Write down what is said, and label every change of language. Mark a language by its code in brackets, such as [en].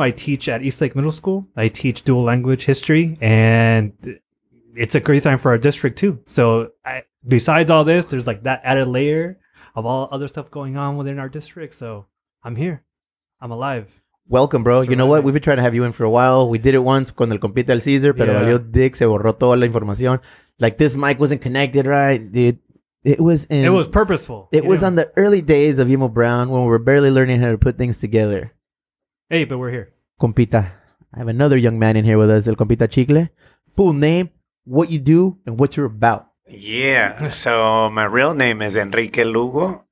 [en] I teach at Eastlake Middle School. I teach dual language history, and it's a great time for our district too. So besides all this, there's like that added layer of all other stuff going on within our district. So I'm here. I'm alive. Welcome, bro. You know what? We've been trying to have you in for a while. We did it once [es] con el compita el Caesar, pero valió dick, se borró toda la información. [en] Like, this mic wasn't connected right, dude. It was purposeful. It was on the early days of Emo Brown when we were barely learning how to put things together. Hey, but we're here. Compita. I have another young man in here with us, el compita Chicle. Full name, what you do, and what you're about. Yeah, so my real name is Enrique Lugo.